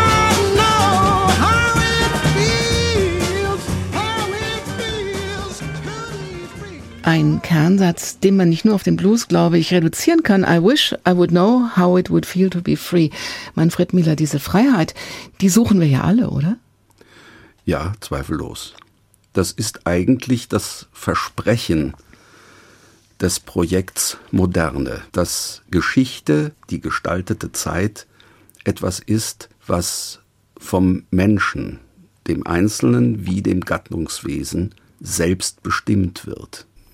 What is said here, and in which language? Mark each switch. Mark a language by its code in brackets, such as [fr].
[en] I know how it feels, how it feels to be free. [de] Ein Kernsatz, den man nicht nur auf den Blues, glaube ich, reduzieren kann. [en] I wish I would know how it would feel to be free. [de] Manfred Miller, diese Freiheit, die suchen wir ja alle, oder? Ja, zweifellos. Das ist eigentlich das Versprechen des Projekts Moderne, dass Geschichte, die gestaltete Zeit, etwas ist, was vom Menschen, dem Einzelnen wie dem Gattungswesen, selbst bestimmt wird.